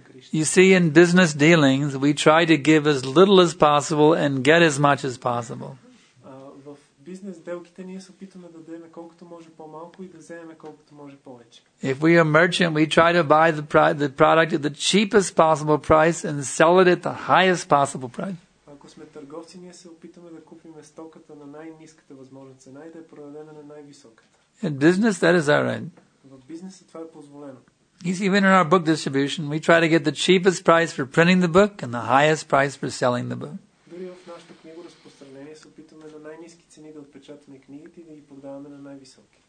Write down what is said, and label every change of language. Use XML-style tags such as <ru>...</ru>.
<en>You see, in business dealings, we try to give as little as possible and get as much as possible. If we are merchant, we try to buy the product at the cheapest possible price and sell it at the highest possible price.</en> <bg>Ако сме търговци, ние се опитаме да купим стоката на най-ниската възможна цена и да я продадем на най-високата.</bg> <en>In business, that is our end.</en> <bg>В бизнеса това е позволено.</bg> <en>Even in our book distribution, we try to get the cheapest price for printing the book and the highest price for selling the book.</en> <bg>Дори в нашата книга разпространение се опитваме на най-ниски цени да отпечатаме книгите и да ги продаваме на най-високи.</bg>